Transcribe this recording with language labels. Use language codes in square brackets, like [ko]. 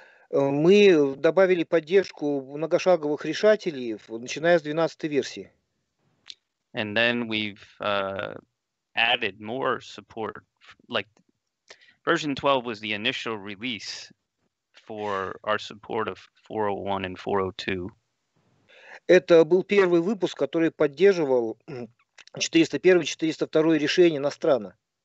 [ru] Мы добавили поддержку многошаговых решателей, начиная с 12-й версии. [en] And then we've added more support. Like, version 12 was the initial release for our support of 401 and 402. [ru] Это был первый выпуск, который поддерживал 401, 402 решение на страна.